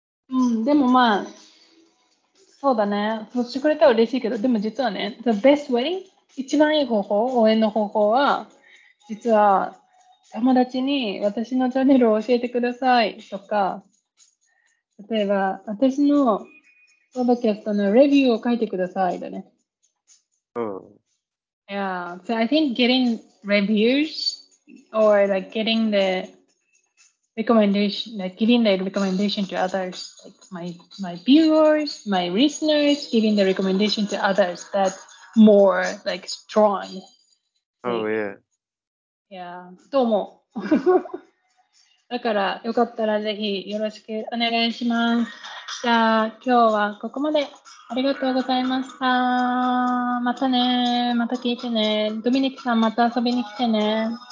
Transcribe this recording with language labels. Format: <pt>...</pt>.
<ja>うん、でもまあ、そうだね。そうしてくれたら嬉しいけど、でも実はね、</ja> <en>The best way?</en> <ja>一番いい方法、応援の方法は、実は友達に私のチャンネルを教えてくださいとか、例えば私のポッドキャストのレビューを書いてくださいだね。</ja> <en>Yeah, so I think getting reviews or like getting the recommendation, like giving the recommendation to others, like my viewers, my listeners, giving the recommendation to others, that's more like strong. Oh yeah.</en> <ja>Yeah, どうも。だからよかったらぜひよろしくお願いします。じゃあ今日はここまで。ありがとうございました。またね。また聞いてね。ドミニクさんまた遊びに来てね。</ja>